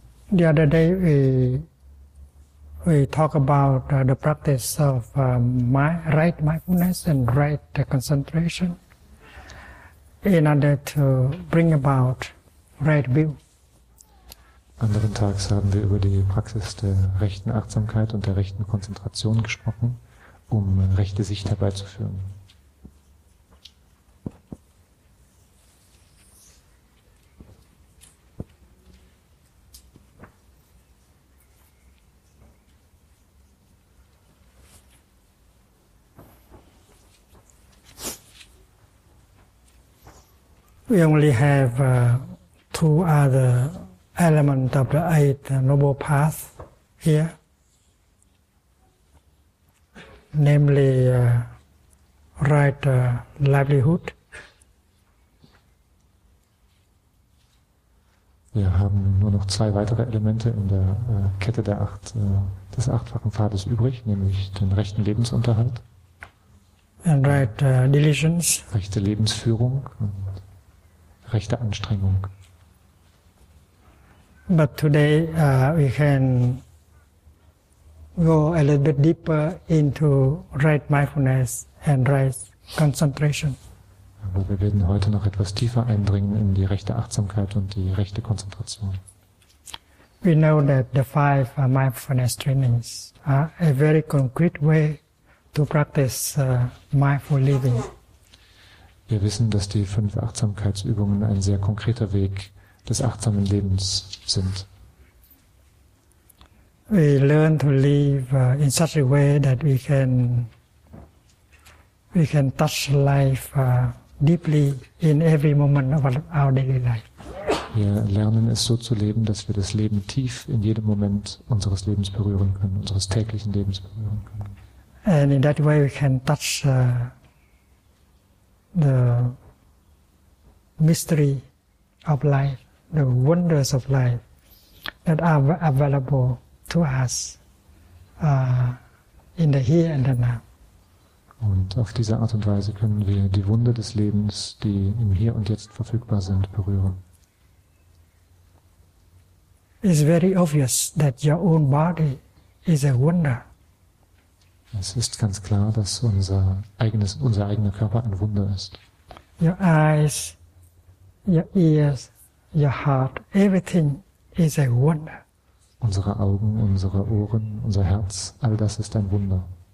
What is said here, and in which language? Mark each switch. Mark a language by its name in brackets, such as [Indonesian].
[English] The other day we talk about the practice of right mindfulness and right concentration in order to bring about right view. [German] Anderen Tags haben wir über die Praxis der rechten Achtsamkeit und der rechten Konzentration gesprochen, um rechte Sicht herbeizuführen. [English] We only have two other element of the Eight Noble Path here, namely right livelihood. [German] Wir haben nur noch zwei weitere Elemente in der Kette der acht, des achtfachen Pfades übrig, nämlich den rechten Lebensunterhalt [English] and right diligence, [German] rechte Lebensführung und rechte Anstrengung. [English] But today we can go a little bit deeper into right mindfulness and right concentration. [German] Aber wir werden heute noch etwas tiefer eindringen in die rechte Achtsamkeit und die rechte Konzentration. [English] We know that the five mindfulness trainings are a very concrete way to practice mindful living. [German] Wir wissen, dass die fünf Achtsamkeitsübungen ein sehr konkreter Weg des achtsamen Lebens sind. [English] We learn to live in such a way that we can touch life deeply in every moment of our daily life. [German] Wir lernen es so zu leben, dass wir das Leben tief in jedem Moment unseres Lebens berühren können, unseres täglichen Lebens berühren können. [English] And in that way we can touch the mystery of life. The wonders of life that are available to us in the here and the now. [German] Und auf diese Art und Weise können wir die Wunder des Lebens, die im Hier und Jetzt verfügbar sind, berühren. [English] It's very obvious that your own body is a wonder. [German] Es ist ganz klar, dass unser eigener Körper ein Wunder ist. [English] Your eyes, your ears, your heart, everything is a wonder. [German] Unsere Augen, unsere Ohren, unser Herz, all das ist ein Wunder.